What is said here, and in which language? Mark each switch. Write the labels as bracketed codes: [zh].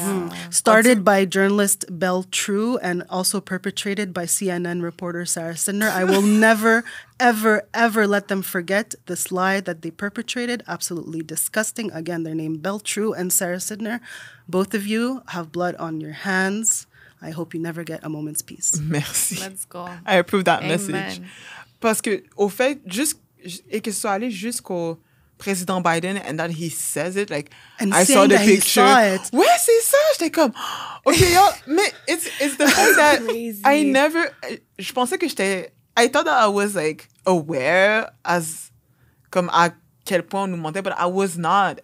[en] Yeah. Started by journalist Belle True and also perpetrated by CNN reporter Sarah Sidner. I will never, ever, ever let them forget this lie that they perpetrated. Absolutely disgusting. Again, their name Belle True and Sarah Sidner. Both of you have blood on your hands. I hope you never get a moment's peace. [fr] Merci. [en] Let's go. I approve that Amen. Message. [fr] Parce que, au fait, et que ce soit allé jusqu'au... [en] President Biden, and that he says it, like, and I saw the that picture. Saw it. Where is it? [fr] J'étais comme, [en] okay, yo, [fr] mais [en] it's the fact that crazy. I never, [fr] je pensais que j'étais, [en] I thought that I was, like, aware as, [fr] comme, à quel point on nous mentait, [en] but I was not.